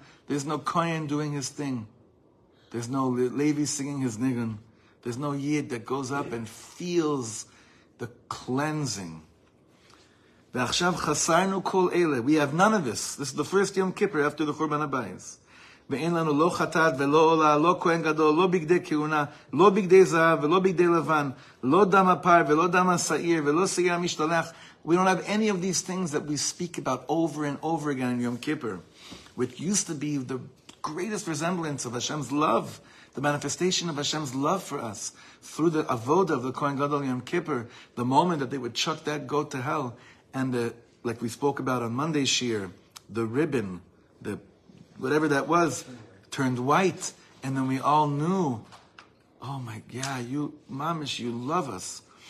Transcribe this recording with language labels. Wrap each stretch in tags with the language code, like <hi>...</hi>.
<en>There's no Kohen doing his thing. There's no Levi singing his nigun. There's no Yid that goes up and feels the cleansing. We have none of this. This is the first Yom Kippur after the Churban HaBayis.</en> <he>ואין לנו לא חטאת ולא עולה, לא כהן גדול, לא בגדי כהונה, לא בגדי זהב ולא בגדי לבן, לא דם הפר ולא דם הסעיר ולא סעיר המשתלח.</he> <en>We don't have any of these things that we speak about over and over again in Yom Kippur, which used to be the greatest resemblance of Hashem's love, the manifestation of Hashem's love for us through the avoda of the Kohen Gadol Yom Kippur, the moment that they would chuck that goat to hell, and the, like we spoke about on Monday Shir, the ribbon, the whatever that was, turned white, and then we all knew, oh my God, you, Mamish, you love us.</en>